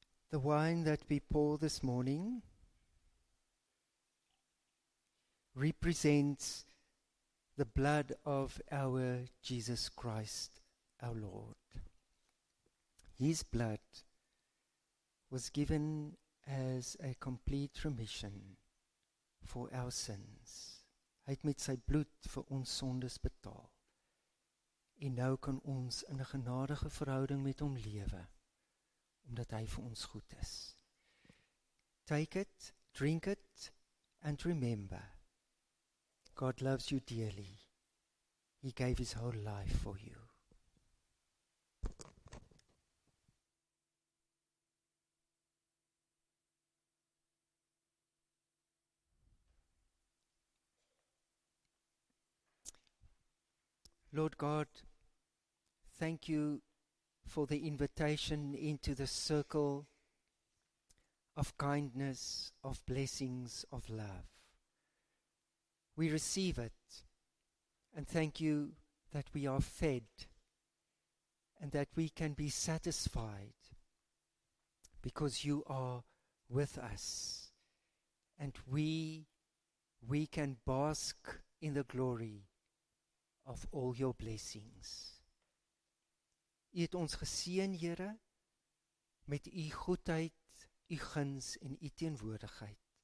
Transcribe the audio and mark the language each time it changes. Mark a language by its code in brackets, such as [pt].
[en] The wine that we pour this morning represents the blood of our Jesus Christ, our Lord. His blood was given as a complete remission for our sins. [af] Hy het met sy bloed vir ons sondes betaal. En nou kan ons in 'n genadige verhouding met hom lewe. Omdat hy vir ons goed is. [en] Take it, drink it, and remember, God loves you dearly. He gave his whole life for you. Lord God, thank you for the invitation into the circle of kindness, of blessings, of love. We receive it and thank you that we are fed and that we can be satisfied because you are with us and we can bask in the glory of all your blessings. [af] U het ons geseën, Here, met u goedheid, u guns en u teenwoordigheid.